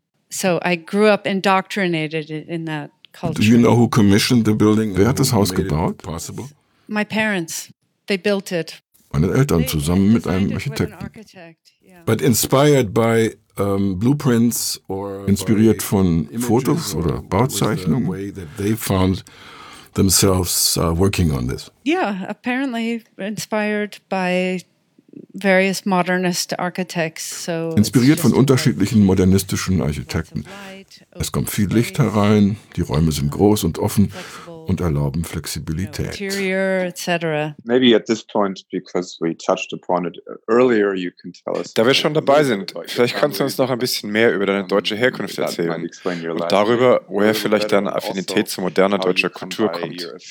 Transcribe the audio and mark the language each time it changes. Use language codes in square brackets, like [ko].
[en] So I grew up indoctrinated in that culture. Do you know who commissioned the building? [de] Wer hat das Haus gebaut? [en] My parents. They built it. [de] Meine Eltern zusammen mit einem Architekten. [en] But inspired by blueprints or [de] inspiriert von Fotos oder Bauzeichnungen, [en] they found themselves working on this. Yeah, apparently inspired by various modernist architects. So [de] inspiriert von unterschiedlichen modernistischen Architekten. Es kommt viel Licht herein, die Räume sind groß und offen und erlauben Flexibilität. [en] Maybe at this point, because we touched upon it earlier, you can tell us. [de] Da wir schon dabei sind, vielleicht kannst du uns noch ein bisschen mehr über deine deutsche Herkunft erzählen und darüber, woher vielleicht deine Affinität zu moderner deutscher Kultur kommt.